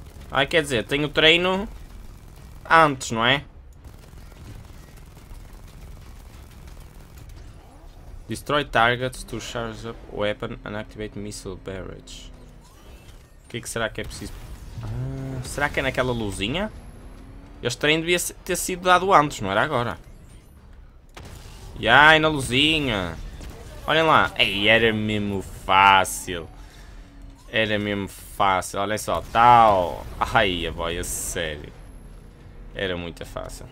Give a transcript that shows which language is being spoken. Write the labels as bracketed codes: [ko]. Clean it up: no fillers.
[pt] Ah, quer dizer, tenho treino antes, não é? [en] Destroy targets to charge up weapon and activate missile barrage. [pt] O que será que é preciso? Será que é naquela luzinha? Este treino devia ter sido dado antes, não era agora. E ai, na luzinha. Olhem lá. Ei, era mesmo fácil. Era mesmo fácil. Olhem só. Tal. Ai, a boy, a sério. Era muito fácil.